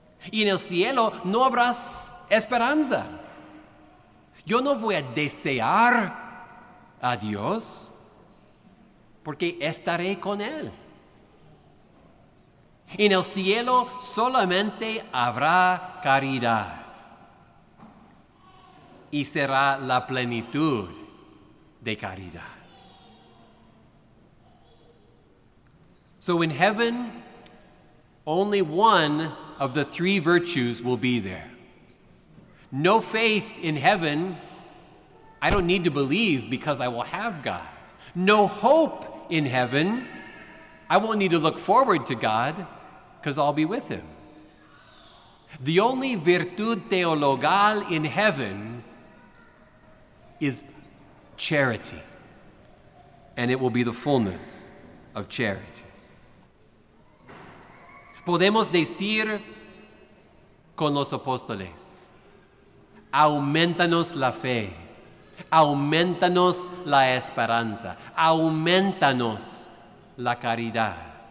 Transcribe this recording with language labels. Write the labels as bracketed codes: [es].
[es] Y en el cielo no habrá esperanza. Yo no voy a desear a Dios porque estaré con Él. En el cielo solamente habrá caridad y será la plenitud de caridad. [en] So in heaven, only one of the three virtues will be there. No faith in heaven. I don't need to believe because I will have God. No hope in heaven. I won't need to look forward to God because I'll be with Him. The only [es] virtud teologal [en] in heaven is charity. And it will be the fullness of charity. [es] Podemos decir con los apóstoles, aumentanos la fe, aumentanos la esperanza, aumentanos la caridad.